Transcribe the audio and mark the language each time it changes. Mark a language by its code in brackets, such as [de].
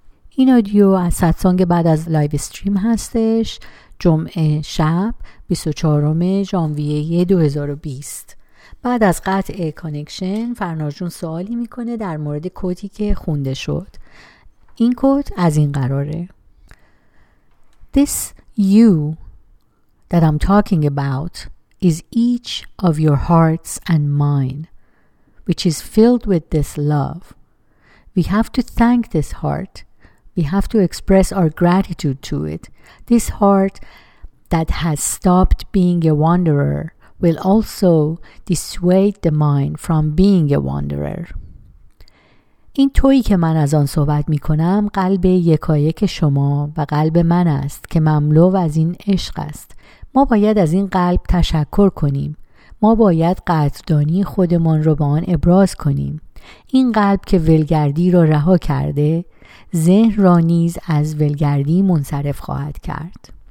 [fa] این آدیو از ستسانگ بعد از لایو استریم هستش، جمعه شب 24 ژانویه 2020. بعد از قطع کانکشن فرناجون سوالی میکنه در مورد کدی که خونده شد. این کد از این قراره: [en] This you that I'm talking about is each of your hearts and mine, which is filled with this love. We have to thank this heart. We have to express our gratitude to it. This heart that has stopped being a wanderer will also dissuade the mind from being a wanderer. [fa] این تویی که من از آن صحبت می کنم قلب یکایک شما و قلب من است که مملو از این عشق است. ما باید از این قلب تشکر کنیم. ما باید قدردانی خودمان را به آن ابراز کنیم. این قلب که ولگردی را رها کرده، ذهن را نیز از ولگردی منصرف خواهد کرد.